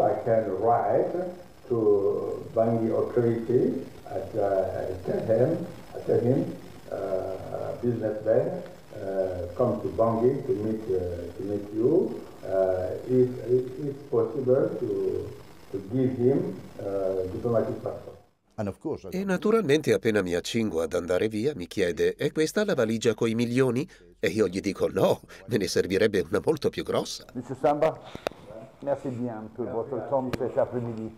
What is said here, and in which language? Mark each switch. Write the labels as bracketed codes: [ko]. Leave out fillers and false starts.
[en] I can write to Bangui authority. I tell him business there. Come to Bangui to meet you. If possible to give him diplomatic passport. [it] E naturalmente appena mi accingo ad andare via mi chiede: è questa la valigia coi milioni? E io gli dico: no, me ne servirebbe una molto più grossa. [fr] Monsieur Samba, merci bien pour merci votre temps cet après-midi.